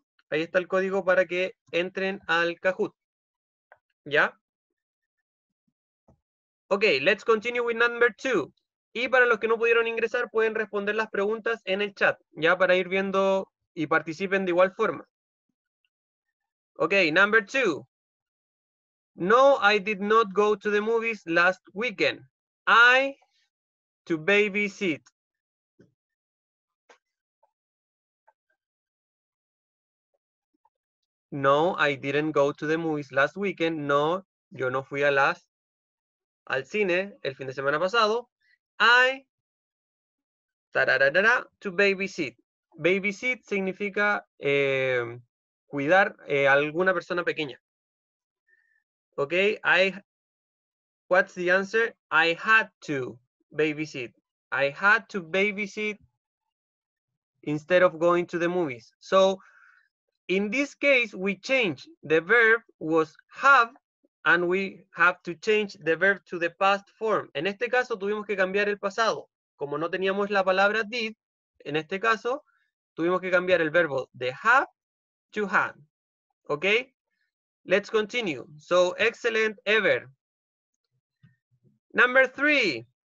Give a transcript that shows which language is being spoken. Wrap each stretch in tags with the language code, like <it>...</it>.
<es>Ahí está el código para que entren al Kahoot. ¿Ya?</es> <en>Ok, let's continue with number two.</en> <es>Y para los que no pudieron ingresar, pueden responder las preguntas en el chat. Ya para ir viendo y participen de igual forma.</es> <en>Ok, number two. No, I did not go to the movies last weekend. I to babysit. No, I didn't go to the movies last weekend.</en> <es>No, yo no fui al cine el fin de semana pasado.</es> <en>I, tararara, to babysit.</en> <es>Babysit significa cuidar a alguna persona pequeña.</es> <en>Okay, what's the answer? I had to babysit. I had to babysit instead of going to the movies. So, in this case, we change. The verb was have, And we have to change the verb to the past form.</en> <es>En este caso, tuvimos que cambiar el pasado. Como no teníamos la palabra did, en este caso, tuvimos que cambiar el verbo de have to have.</es> <en>¿Ok? Let's continue. So, excellent ever. Number three.</en>